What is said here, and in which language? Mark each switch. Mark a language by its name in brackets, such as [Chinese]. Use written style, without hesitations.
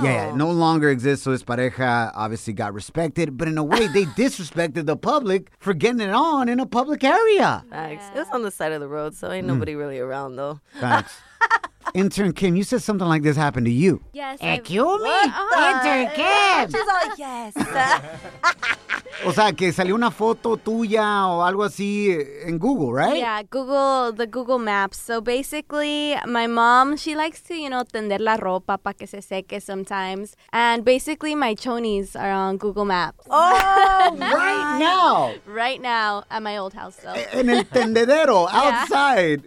[English] Yeah, it no longer exists, so his pareja obviously got respected. But in a way, they disrespected the public for getting it on in a public area. Thanks. Yeah. It was on the side of the road, so ain't nobody really around, though. Thanks. Intern Kim, you said something like this happened to you. Yes. Hey, kill me? Intern Kim. She's all, yes. [Spanish] O sea, que salió una foto tuya o algo así en Google, [English] right? Yeah, Google Maps. So basically, my mom, she likes to, you know, [Spanish] tender la ropa pa que se seque [English] sometimes. And basically, my chonies are on Google Maps. Oh, right now. Right now at my old house, so. [Spanish] En el tendedero, [English] outside.